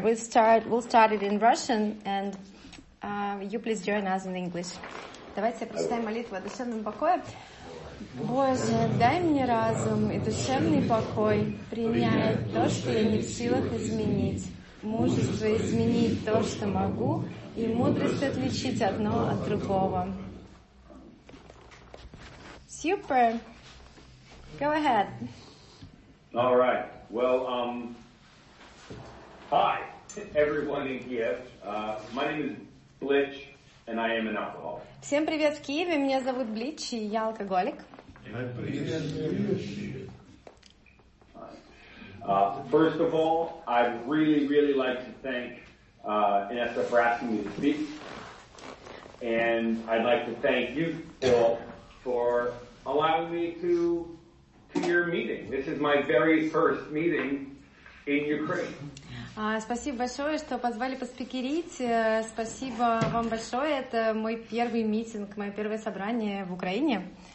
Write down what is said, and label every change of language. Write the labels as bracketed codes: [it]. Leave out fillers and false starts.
[en] We'll start it in Russian, and you please join us in English. [ru] Давайте прочитаем молитву о душевном покое. Боже, дай мне разум и душевный покой принять то, что я не в силах изменить, мужество изменить то, что могу, и мудрость отличить одно от другого. [en] Super. Go ahead. All right. Well, hi, everyone in Kiev. My name is Blitch, and I am an alcoholic. [ru] Всем привет в Киеве. Меня зовут Блич, и я алкоголик. [en] First of all, I'd really, really like to thank Inessa for asking me to speak. And I'd like to thank you all for allowing me to your meeting. This is my very first meeting in Ukraine. [ru] Спасибо большое, что позвали поспикерить. Спасибо вам большое. Это мой первый митинг, мое первое собрание в Украине.